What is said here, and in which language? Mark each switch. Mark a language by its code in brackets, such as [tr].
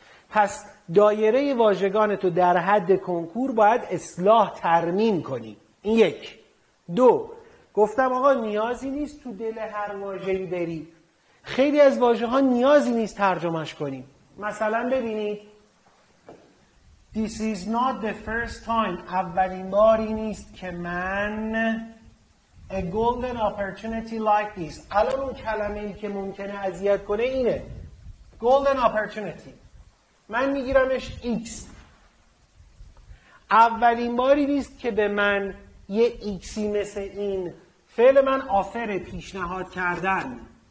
[fa] پس دایره واژگان تو در حد کنکور باید اصلاح ترمیم کنی. این یک. دو، گفتم آقا نیازی نیست تو دل هر واژه‌ای بری، خیلی از واژه‌ها نیازی نیست ترجمهش کنیم. مثلا ببینید [en] This is not the first time. [fa] اولین باری نیست که من [en] a golden opportunity like this. [fa] الان اون کلمه ای که ممکنه اذیت کنه اینه. [en] Golden opportunity. [fa] من میگیرمش X. اولین باری نیست که به من یه ایکسی مثل این فعل من آفره، پیشنهاد کردن.